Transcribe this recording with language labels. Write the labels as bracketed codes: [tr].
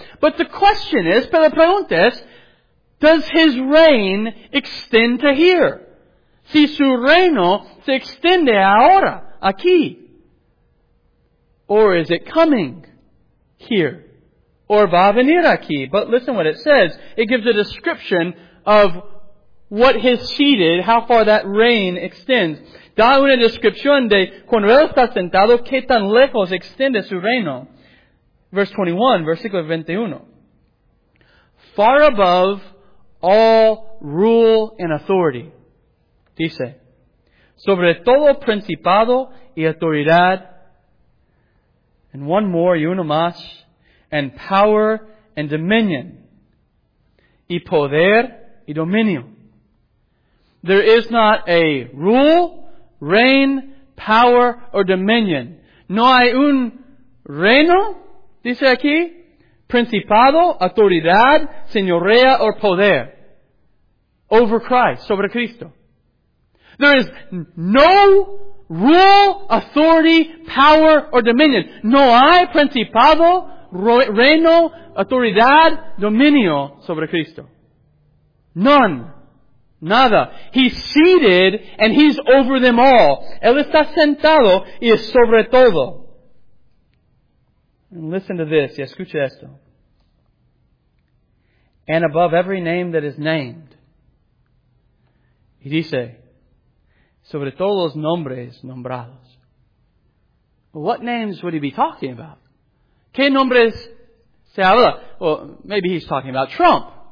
[en] But the question is, [es] pero la pregunta es, [en] does his reign extend to here? [es] Si su reino se extiende ahora, aquí. [en] Or is it coming here? Or [es] va a venir aquí? [en] But listen what it says. It gives a description of what his seated, how far that reign extends. [es] Da una descripción de cuando él está sentado, qué tan lejos extiende su reino. [en] Verse 21, versículo 21. Far above all rule and authority. [es] Dice, sobre todo principado y autoridad, [en] and one more, [es] y uno más, [en] and power and dominion, [es] y poder y dominio. [en] There is not a rule, reign, power, or dominion. [es] No hay un reino, dice aquí, principado, autoridad, señorea, or poder. [en] Over Christ, [es] sobre Cristo. [en] There is no rule, authority, power, or dominion. [es] No hay principado, reino, autoridad, dominio sobre Cristo. None. Nada. [en] He's seated and he's over them all. [es] Él está sentado y es sobre todo. [en] And listen to this. [es] Y escucha esto. [en] And above every name that is named. [es] Y dice, sobre todos los nombres nombrados. [en] What names would he be talking about? [es] ¿Qué nombres se habla? [en] Well, maybe he's talking about Trump.